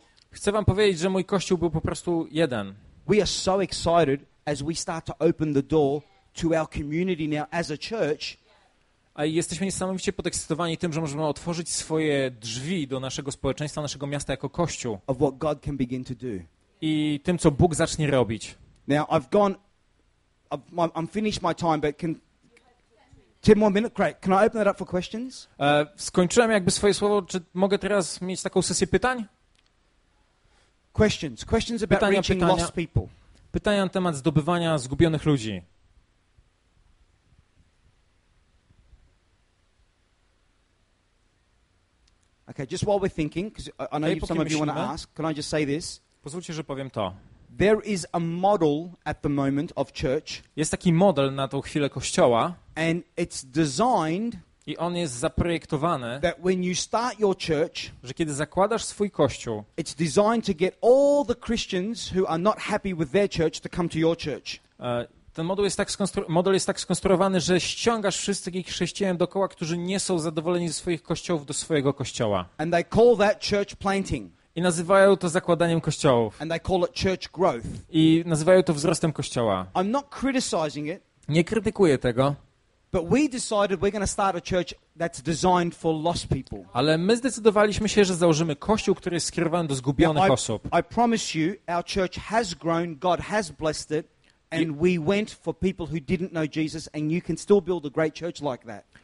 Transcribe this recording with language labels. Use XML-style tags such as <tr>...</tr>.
<pl>Chcę wam powiedzieć, że mój kościół był po prostu jeden.</pl> <en>We are so excited as we start to open the door to our community now as a church.</en> <pl>A jesteśmy niesamowicie podekscytowani tym, że możemy otworzyć swoje drzwi do naszego społeczeństwa, naszego miasta jako kościół.</pl> <en>Of what God can begin to do.</en> <pl>I tym, co Bóg zacznie robić.</pl> <en>Now I'm finished my time, but can 10 more minutes? Great. Can I open that up for questions?</en> <pl>Skończyłem jakby swoje słowo, czy mogę teraz mieć taką sesję pytań?</pl> <en>Questions about pytania, reaching pytania, lost people.</en> <pl>Pytania na temat zdobywania zgubionych ludzi.</pl> <en>Okay, just while we're thinking, because I know you, some of you want to ask, can I just say this?</en> <pl>Pozwólcie, że powiem to.</pl> <en>There is a model at the moment of church.</en> <pl>Jest taki model na tą chwilę kościoła.</pl> <en>And it's designed.</en> <pl>I on jest zaprojektowany,</pl> <en>that when you start your church,</en> <pl>że kiedy zakładasz swój kościół,</pl> <en>it's designed to get all the Christians who are not happy with their church to come to your church.</en> <pl>Ten model jest tak skonstruowany, że ściągasz wszystkich chrześcijan dookoła, którzy nie są zadowoleni ze swoich kościołów, do swojego kościoła.</pl> <en>And they call that church planting.</en> <pl>I nazywają to zakładaniem kościołów.</pl> <en>And they call it church growth.</en> <pl>I nazywają to wzrostem kościoła.</pl> <en>I'm not criticizing it.</en> <pl>Nie krytykuję tego.</pl> <en>But we decided we're going to start a church that's designed for lost people.</en> <pl>Ale my zdecydowaliśmy się, że założymy kościół, który jest skierowany do zgubionych osób.</pl> <en>I promise you, our church has grown, God has blessed it, and we went for people who didn't know Jesus, and you can still build a great church like that.</en>